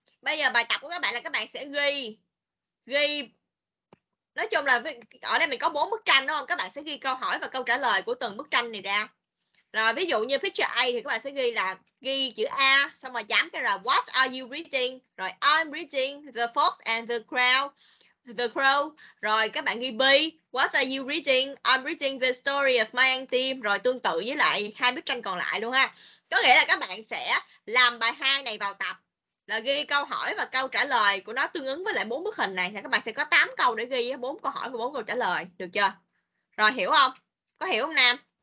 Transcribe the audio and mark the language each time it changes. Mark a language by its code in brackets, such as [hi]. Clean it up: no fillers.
[vi] Bây giờ bài tập của các bạn là các bạn sẽ ghi. Nói chung là ở đây mình có 4 bức tranh đúng không? Các bạn sẽ ghi câu hỏi và câu trả lời của từng bức tranh này ra. Rồi ví dụ như picture A thì các bạn sẽ ghi là ghi chữ A xong rồi chấm cái là [en] what are you reading? Rồi I'm reading the fox and the crow. [vi] Rồi các bạn ghi B, [en] what are you reading? I'm reading the story of my auntie. [vi] Rồi tương tự với lại hai bức tranh còn lại luôn ha. Có nghĩa là các bạn sẽ làm bài 2 này vào tập là ghi câu hỏi và câu trả lời của nó tương ứng với lại 4 bức hình này. Thì các bạn sẽ có 8 câu để ghi 4 câu hỏi và 4 câu trả lời. Được chưa? Rồi hiểu không? Có hiểu không Nam?